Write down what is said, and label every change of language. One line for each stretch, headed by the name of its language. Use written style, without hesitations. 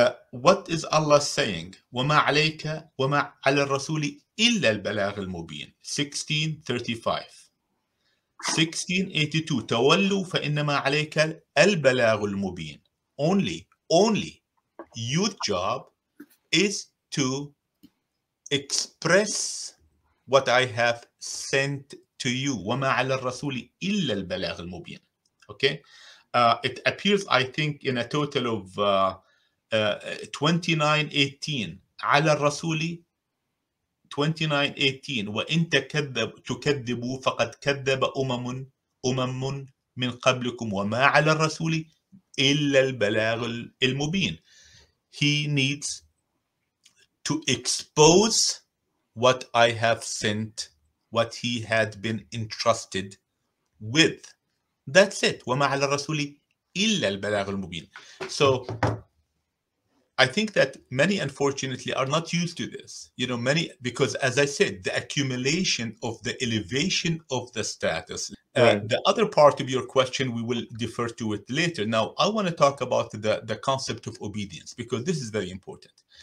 English: What is Allah saying?
Arabic: وَمَا عَلَيْكَ وَمَا عَلَى الرَّسُولِ إِلَّا الْبَلَاغِ الْمُبِينِ 1635. 1682, تولوا فإنما عليك البلاغ المبين.
English: Only your job is to express what I have sent to you.
Arabic: وما على الرسول إلا البلاغ المبين.
English: Okay, it appears, I think, in a total of 2918
Arabic: على الرسول. 2918 وإن تكذبوا فقد كذب أمم من قبلكم وما على الرسول إلا البلاغ المبين.
English: He needs to expose what I have sent, what he had been entrusted with. That's it.
Arabic: وما على الرسول إلا البلاغ المبين.
English: So I think that many, unfortunately, are not used to this. You know, many, because as I said, the accumulation of the elevation of the status, The other part of your question, we will defer to it later. Now, I want to talk about the concept of obedience, because this is very important.